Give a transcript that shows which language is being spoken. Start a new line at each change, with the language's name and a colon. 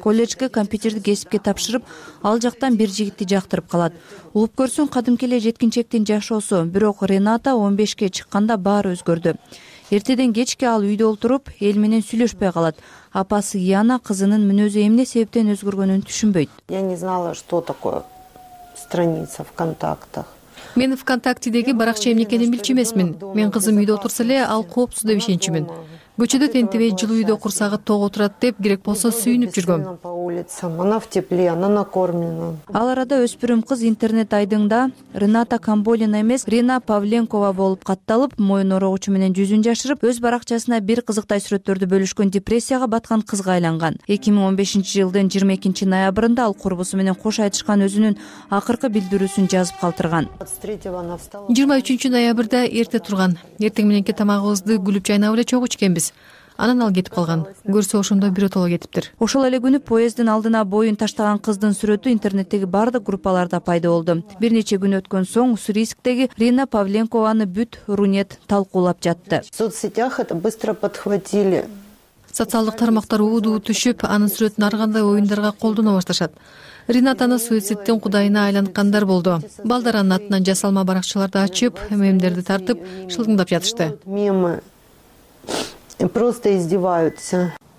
Kyrgyz: Коллежге компьютерди кесипке тапшырып, ал жактан бир жигитти жактырып калат. Угуп көрсөң, кадимки эле жеткинчектин жашоосу, бирок Рената 15 чыкканда баары өзгөрдү. Эртеден кечке ал үйдө отуруп, эл менен сүйлөшпөй калат. Апасы Яна кызынын мүнөзү эмне себептен өзгөргөнүн түшүнбөйт.
Russian: Я не знала, что такое страница ВКонтакте.
Kyrgyz: Мен ВКонтактедеги баракча эмне экенин билчү эмесмин. Мен кызым үйдө отурса эле ал коопсуз деп ишенчүмүн. Көчөдө тентибей жылуу үйдө курсагы тоо отурат деп керек болсо сүйүнүп жүргөм.
Russian: Она в тепле, она накормлена.
Kyrgyz: Ал арада өспүрүм кыз интернет айдыңда Рената Камболина эмес Рина Павленкова болуп катталып, моюн орогучу менен жүзүн жашырып, өз баракчасына бир кызыктай сүрөттөрдү бөлүшкөн депрессияга баткан кызга айланган. 2015 жылдын 22 ноябрында ал курбусу менен кош айтышкан өзүнүн акыркы билдирүүсүн жазып калтырган. 23 ноябрда эрте турган. Эртең мененки тамагыбызды күлүп жайнап эле чогуу ичкенбиз. Анан ал кетип калган. Көрсө ошондой бир отоло кетиптир. Ошол эле күнү поезддин алдына боюн таштаган кыздын сүрөтү интернеттеги бардык группаларда пайда болду. Бир нече күн өткөн соң Уссурийсктеги Рина Павленкованы бүт Рунет талкуулап жатты.
Russian: Соцсетях это быстро подхватили.
Kyrgyz: Социалдык тармактар уудуу түшүп, анын сүрөтүн ар кандай оюндарга колдоно башташат. Ринатаны суицидтин кудайына айланткандар болду. Балдар анын атынан жасалма баракчаларды ачып, мемдерди тартып, шылдыңдап жатышты.
Russian: Просто издеваются.